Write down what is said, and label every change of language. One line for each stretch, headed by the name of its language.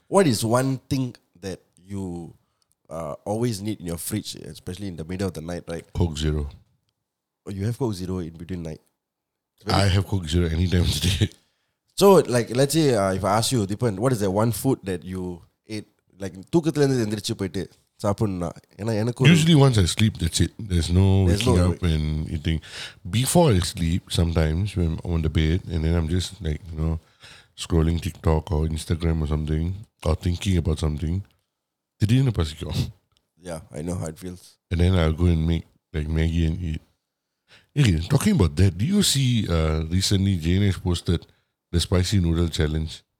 English: What is one thing that you always need in your fridge, especially in the middle of the night, right? Coke Zero. Oh, you have Coke Zero in between night. I have Coke Zero any time of the day. So, like, let's say if I ask you, Theepan, what is that one food that you eat? Like,
Tamil: தூக்கத்துல இருந்து எந்திரிச்சு போயிட்டு சாப்பிடணும்னா ஏன்னா எனக்கு
English: usually once I sleep, that's it. There's no waking up and eating. Before I sleep, sometimes when I'm on the bed and then I'm just like, you know, scrolling TikTok or Instagram or something or thinking about something.
Tamil: திடீர்னு பசிக்கும்.
English: Yeah, I know how it feels. And then I'll go and make like Maggie and eat. Okay, talking about that, do you see recently JNH posted the spicy noodle challenge?